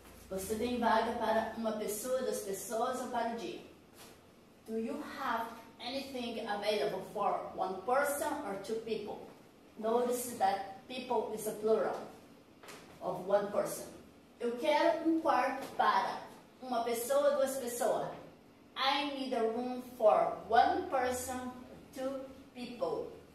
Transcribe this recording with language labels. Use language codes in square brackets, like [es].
[pt] Você tem vaga para uma pessoa, das pessoas ou para o dia? [en] Do you have anything available for one person or two people? Notice that people is a plural of one person. [pt] Eu quero quarto para uma pessoa, duas pessoas. [en] I need a room for one person, two people.